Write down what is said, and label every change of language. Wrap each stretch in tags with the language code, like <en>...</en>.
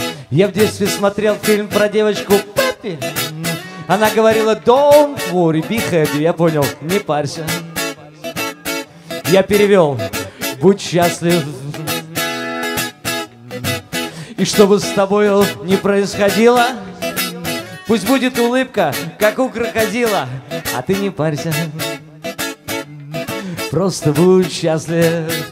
<ru>Я в детстве смотрел фильм про девочку Пеппи. Она говорила:</ru> <en>«Don't worry, be happy».</en> <ru>Я понял, не парься. Я перевел: «Будь счастлив». И чтобы с тобой не происходило, пусть будет улыбка, как у крокодила, а ты не парься, просто будь счастлив.</ru>